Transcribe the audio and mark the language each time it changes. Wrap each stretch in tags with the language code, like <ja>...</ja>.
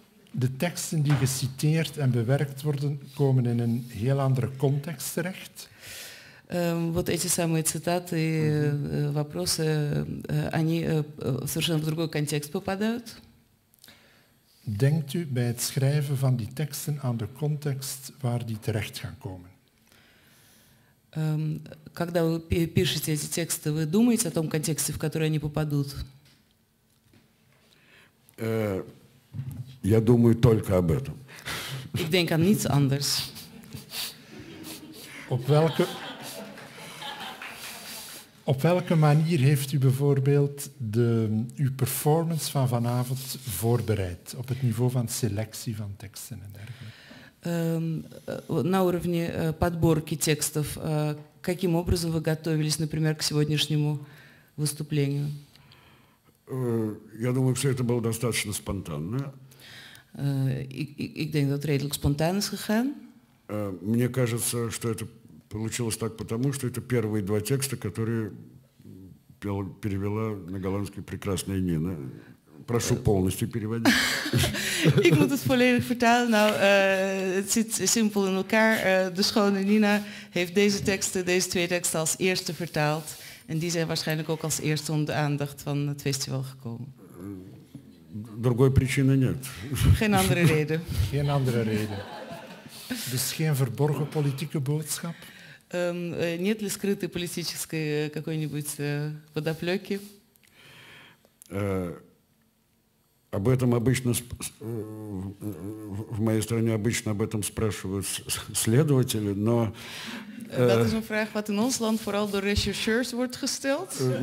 <nl>De teksten die geciteerd en bewerkt worden, komen in een heel andere context terecht.</nl> <ru>Вот эти самые цитаты, вопросы, они совершенно в другой контекст попадают.</ru> <nl>Denkt u bij het schrijven van die teksten aan de context waar die terecht gaan komen?</nl> <ru>Когда вы пишете эти тексты, вы думаете о том контексте, в который они попадут? Я думаю только об этом.</ru> <nl>Ik denk aan niets anders. Op welke manier heeft u bijvoorbeeld uw performance van vanavond voorbereid? Op het niveau van selectie van teksten en dergelijke?</nl> <ru>На уровне подборки текстов. Каким образом вы готовились, например, к сегодняшнему выступлению? Я думаю, все это было достаточно спонтанно.</ru> <nl>Ik denk dat het redelijk spontaan is gegaan.</nl> <ru>Мне кажется, что это получилось так потому, что это первые два текста, которые перевела на голландский прекрасная Нина. Прошу полностью переводить.</ru> <nl>Ik moet het volledig vertalen. Nou, het zit simpel in elkaar. De schone Nina heeft deze twee teksten als eerste vertaald. En die zijn waarschijnlijk ook als eerste onder de aandacht van het festival gekomen.</nl> <ru>Другой причины нет.</ru> <nl>Geen andere reden. Geen andere reden. Dus geen verborgen politieke boodschap?</nl> <ru>Нет ли скрытой политической какой-нибудь подоплеки? Об этом обычно в моей стране обычно об этом спрашивают следователи, но.</ru> <nl>Dat is een vraag wat in ons land vooral door rechercheurs wordt gesteld.</nl>